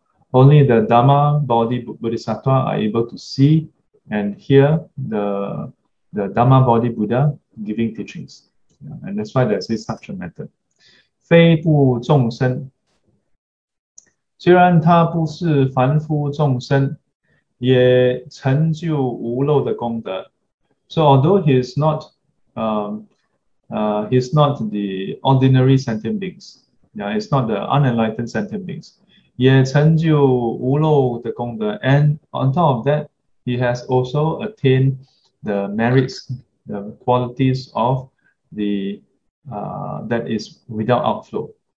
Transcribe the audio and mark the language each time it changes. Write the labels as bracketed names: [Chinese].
[English] Only the Dharma body Bodhisattva are able to see and hear the Dharma body Buddha giving teachings. And that's why there's this such a method. [Chinese] 非不众生, 虽然他不是凡夫众生, 也成就无漏的功德. [English] So although he's not the ordinary sentient beings, yeah, he's not the unenlightened sentient beings, [Chinese] 也成就无漏的功德. [English] And on top of that, he has also attained the merits, the qualities of the that is without outflow.